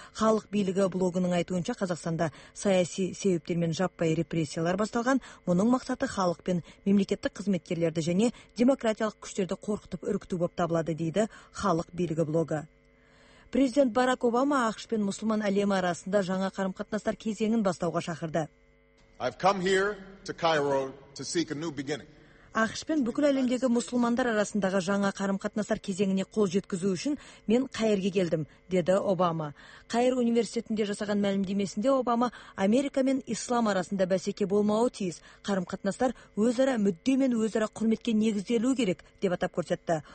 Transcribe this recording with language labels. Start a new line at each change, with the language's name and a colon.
Kazakh: Халық билігі блогының айтуынша Қазақстанда саяси себептермен жаппай репрессиялар басталған, мұның мақсаты халық пен мемлекеттік қызметкерлерді және демократиялық күштерді қорқытып үркіту болып табылады дейді халық билігі блогы. Президент Барак Обама ақш пен мұсылман әлемі арасында жаңа қарым-қатынастар кезеңін бастауға шақырды.
English: I've come here to Cairo to seek a new beginning.
Kazakh: Ақш пен бүкіл әлемдегі мұсылмандар арасындағы жаңа қарым-қатынастар кезеңіне қол жеткізу үшін мен Қайырға келдім, деді Обама. Қайыр университетінде жасаған мәлімдемесінде Обама Америка мен ислам арасында бәсеке болмауы тиіс, қарым-қатынастар өзара мүдде мен өзара құрметке негізделуі керек, деп атап көрсетті.